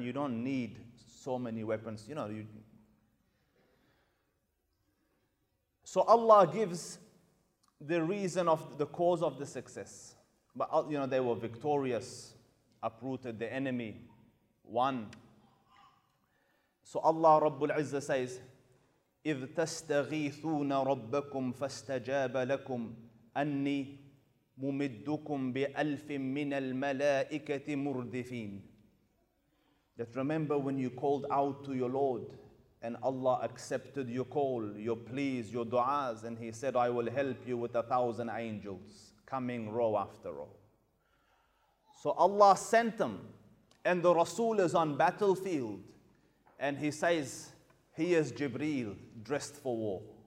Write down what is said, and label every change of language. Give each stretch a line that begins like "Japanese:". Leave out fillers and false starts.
English: You don't need so many weapons, you know. So Allah gives the reason of the cause of the success. But, you know, they were victorious, uprooted the enemy, won. So Allah Rabbul Izzah says,
Arabic: إِذْ تَسْتَغِيثُونَ رَبَّكُمْ فَاسْتَجَابَ لَكُمْ أَنِّي مُمِدُّكُمْ بِأَلْفٍ مِّنَ الْمَلَائِكَةِ مُرْدِفِينَ.
English: that remember when you called out to your Lord and Allah accepted your call, your pleas, your du'as, and He said, I will help you with 1,000 angels coming row after row. So Allah sent them, and the Rasul is on battlefield, and he says, he is Jibreel, dressed for war.